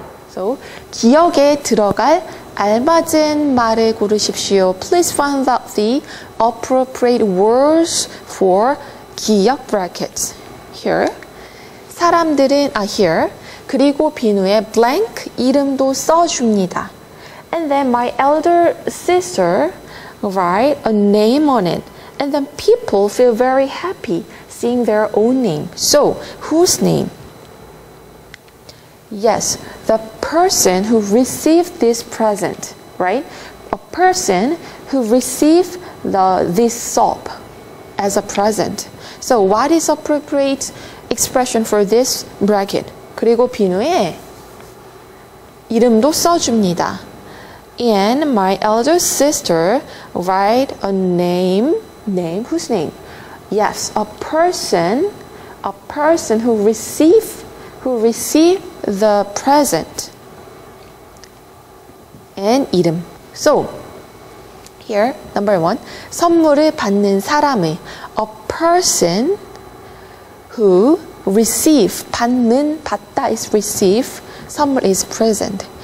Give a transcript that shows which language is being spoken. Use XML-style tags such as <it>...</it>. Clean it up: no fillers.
<ko>So, 기억에 들어갈 알맞은 말을 고르십시오.</ko> <en>Please find out the appropriate words for 기억 brackets.</en> <ko>Here. 사람들은, here. 그리고 비누에 blank 이름도 써줍니다.</ko> <en>And then my elder sister write a name on it. And then people feel very happy seeing their own name. So, whose name? Yes, the person who received this present, right? A person who received this soap as a present. So, what is appropriate expression for this bracket?</en> <ko>그리고 비누에 이름도 써줍니다.</ko> <en>And my elder sister write a name, whose name? Yes, a person who received the present. And 이름. So, here, number one,</en> <ko>선물을 받는 사람의,</ko> <en>a person who receive, 받다 is receive, 선물 is present.</en>